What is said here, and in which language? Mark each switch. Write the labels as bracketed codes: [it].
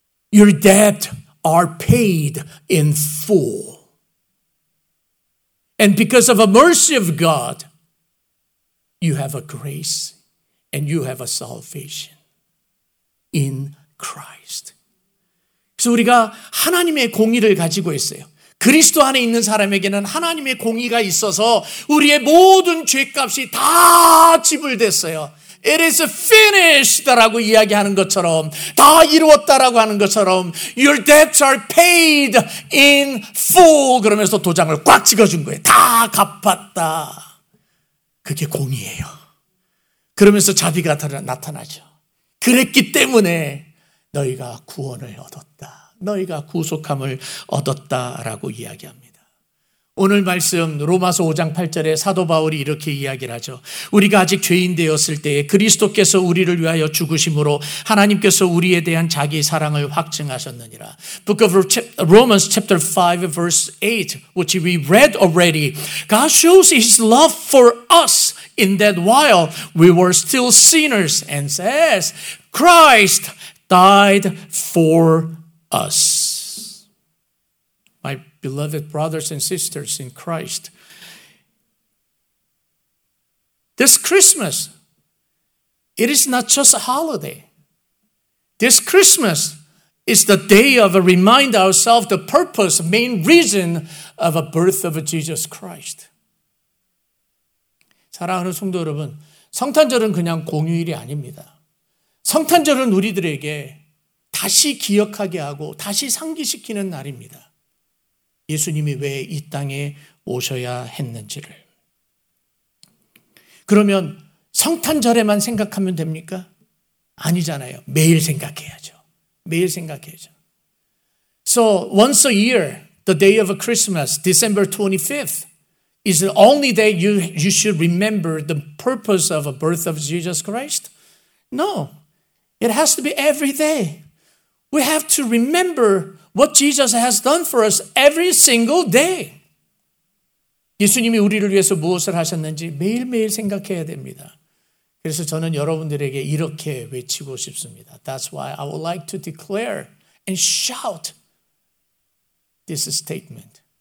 [en] Your debt are paid in full. And because of the mercy of God, you have a grace and you have a salvation in Christ. [ko] 그래서 우리가 하나님의 공의를 가지고 있어요. 그리스도 안에 있는 사람에게는 하나님의 공의가 있어서 우리의 모든 죄값이 다 지불됐어요. [en] It is finished [ko] 라고 이야기하는 것처럼 다 이루었다라고 하는 것처럼 [en] Your debts are paid in full [ko] 그러면서 도장을 꽉 찍어준 거예요. 다 갚았다. 그게 공의예요. 그러면서 자비가 나타나죠. 그랬기 때문에 너희가 구원을 얻었다. 너희가 구속함을 얻었다라고 이야기합니다. 오늘 말씀 로마서 5장 8절에 사도 바울이 이렇게 이야기를 하죠. 우리가 아직 죄인 되었을 때에 그리스도께서 우리를 위하여 죽으심으로 하나님께서 우리에 대한 자기 사랑을 확증하셨느니라. [en] Book of Romans chapter 5 verse 8 which we read already. God shows his love for us in that while we were still sinners and says Christ died for us. My beloved brothers and sisters in Christ. This Christmas, it is not just a holiday. This Christmas is the day of a remind ourselves the purpose, main reason of a birth of Jesus Christ. [ko] 사랑하는 성도 여러분, 성탄절은 그냥 공휴일이 아닙니다. 성탄절은 우리들에게 다시 기억하게 하고 다시 상기시키는 날입니다. 예수님이 왜 이 땅에 오셔야 했는지를. 그러면 성탄절에만 생각하면 됩니까? 아니잖아요. 매일 생각해야죠. 매일 생각해야죠. [en] So once a year, the day of Christmas, December 25th, is the only day you should remember the purpose of the birth of Jesus Christ? No. It has to be every day. We have to remember what Jesus has done for us every single day. [ko] 예수님이 우리를 위해서 무엇을 하셨는지 매일매일 생각해야 됩니다. 그래서 저는 여러분들에게 이렇게 외치고 싶습니다. [en] That's why I would like to declare and shout this statement.